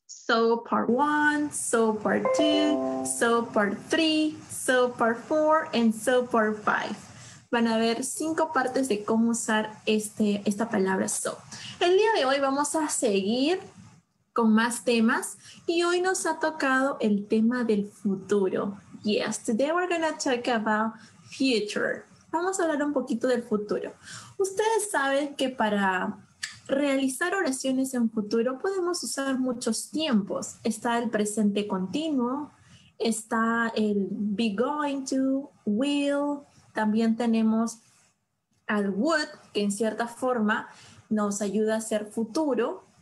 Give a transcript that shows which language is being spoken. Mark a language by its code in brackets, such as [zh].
[en] So part 1, so part 2, so part 3, so part 4, and so part 5. [es] Van a ver 5 partes de cómo usar esta palabra so. El día de hoy vamos a seguir con más temas, y hoy nos ha tocado el tema del futuro. [en] Yes, today we're going to talk about future. [es] Vamos a hablar un poquito del futuro. Ustedes saben que para realizar oraciones en futuro podemos usar muchos tiempos. Está el presente continuo, está el be going to, will, también tenemos al would, que en cierta forma nos ayuda a hacer futuro.